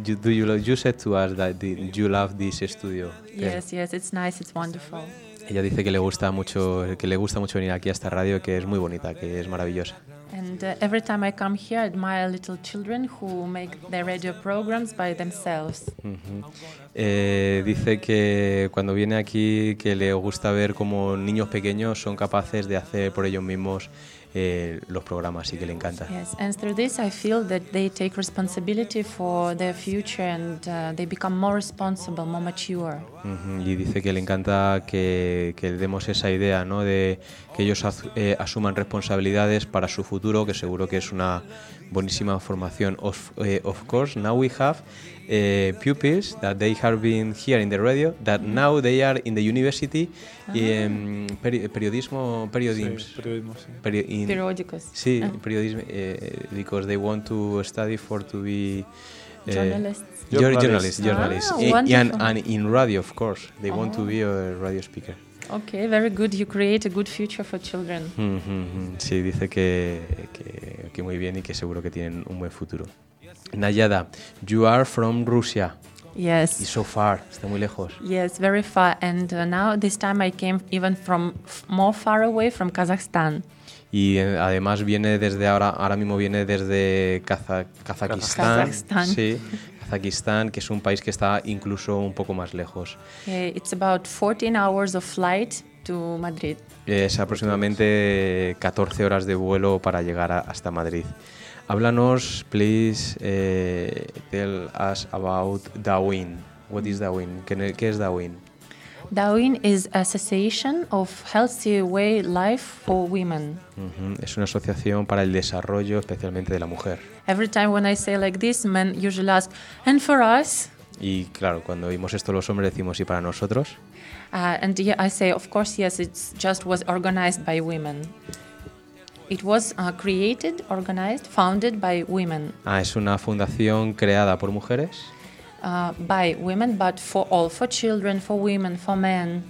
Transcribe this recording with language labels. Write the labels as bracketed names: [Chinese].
[English] You said to us that you love this studio. Yes, it's nice, it's wonderful. [Spanish] Ella dice que le gusta mucho venir aquí a esta radio, que es muy bonita, que es maravillosa. [English] And every time I come here, I admire little children who make their radio programs by themselves. [Spanish] Dice que cuando viene aquí, que le gusta ver cómo niños pequeños son capaces de hacer por ellos mismos los programas, y que le encanta. [English] Yes, and through this I feel that they take responsibility for their future and they become more responsible, more mature. [Spanish] Y dice que le encanta que le demos esa idea, ¿no? De que ellos asuman responsabilidades para su futuro, que seguro que es una buenísima formación. [English] Of course, now we have pupils that they have been here in the radio, that now they are in the university periodismo, because they want to study for to be journalists. Oh, and in radio, of course, they want to be a radio speaker. Okay, very good. You create a good future for children. [Spanish] Sí, dice que muy bien y que seguro que tienen un buen futuro. [English] Nayada, you are from Russia. Yes. It's so far. [Spanish] Está muy lejos. [English] Yes, very far. And now this time I came even from more far away, from Kazakhstan. [Spanish] Y además viene desde ahora mismo viene desde Kazajistán. [English] Kazakhstan. [Spanish] Sí. Kazakhstan, que es un país que está incluso un poco más lejos. [English] It's about 14 hours of flight to Madrid. [Spanish] Es aproximadamente 14 horas de vuelo para llegar hasta Madrid. Háblanos, [English] please, tell us about Dawin. What is Dawin? [Spanish] ¿Qué es Dawin? [English] Dawin is an association of healthy way life for women. [Spanish] Es una asociación para el desarrollo especialmente de la mujer. [English] Every time when I say like this, men usually ask, and for us? [Spanish] Y claro, cuando oímos esto los hombres decimos, ¿y para nosotros? [English] And yeah, I say, of course, yes, it just was organized by women. It was created, organized, founded by women. [Spanish] Ah, es una fundación creada por mujeres. [English] By women, but for all, for children, for women, for men.